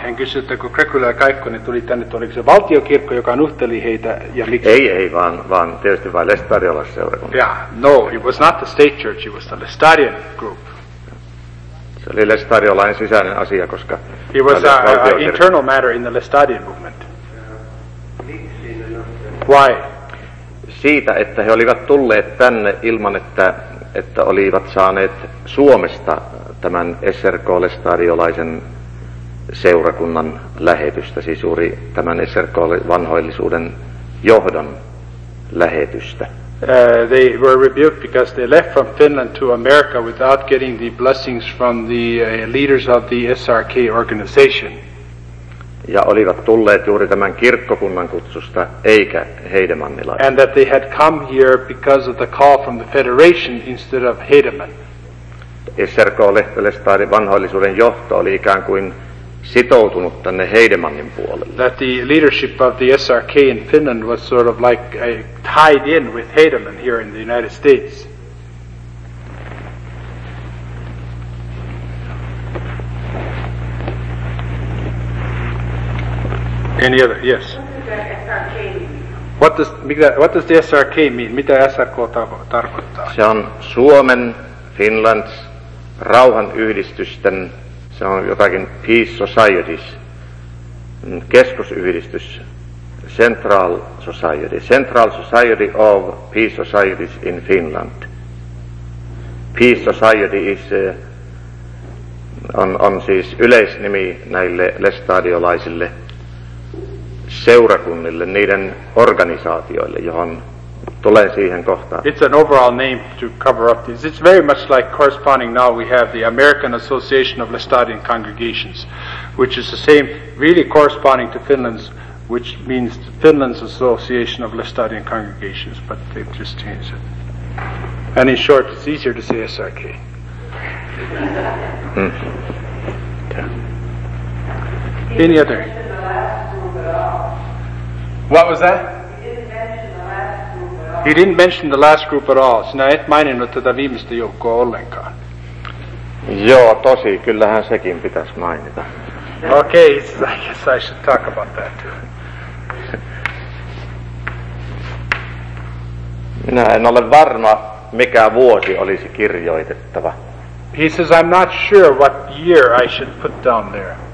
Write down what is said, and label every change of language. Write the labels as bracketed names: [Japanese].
[Finnish] Hän kysyi, että kun Dracula ja Kaikkonen tuli tänne, oliko se valtiokirkko, joka nuhteli heitä ja miksi? Ei, vaan tietysti vain lestadiolaisseurakunta. [English] Yeah, no, it was not the state church, it was the Lestadian group. [Finnish] Se oli lestadiolainen sisäinen asia, koska... [English] It was an internal matter in the Lestadian movement. Why? [Finnish] Siitä, että he olivat tulleet tänne ilman, että olivat saaneet Suomesta tämän SRK-lestadiolaisen seurakunnan lähetystä, siis juuri tämän SRK-vanhoillisuuden johdon lähetystä. [English] They were rebuked because they left from Finland to America without getting the blessings from the leaders of the SRK organization. [Finnish] Ja olivat tulleet juuri tämän kirkkokunnan kutsusta, eikä Heidemannilaiset. [English] And that they had come here because of the call from the Federation instead of Heidemann. [Finnish] SRK Lehtelestadin vanhoillisuuden johto oli ikään kuin sitoutunut tänne Heidemannin puolelle. [English] That the leadership of the SRK in Finland was sort of like tied in with Heidemann here in the United States. Any other? Yes. What does the SRK mean? [Finnish] Mitä SRK tarkoittaa? Se on Suomen, [English] Finland's, [Finnish] rauhan yhdistysten, se on jotakin [English] Peace Societies, [Finnish] keskusyhdistys, [English] Central Society, Central Society of Peace Societies in Finland. Peace Society is [Finnish] on siis yleisnimi näille lestadiolaisille seurakunnille, niiden organisaatioille, johon tulee siihen kohtaan. [English] It's an overall name to cover up this. It's very much like corresponding now we have the American Association of Lestadian Congregations, which is the same, really corresponding to Finland's, which means Finland's Association of Lestadian Congregations, but they've just changed it. And in short, it's easier to say SRK. Okay. Any other? What was that? He didn't mention the last group at all. [Finnish] Sinä et maininnut tätä viimeistä joukkoa ollenkaan. Joo, tosi. Kyllähän sekin pitäisi mainita. [English] Okay, I guess I should talk about that too. [Finnish] Minä en ole varma, mikä vuosi olisi kirjoitettava. [English] He says, I'm not sure what year I should put down there.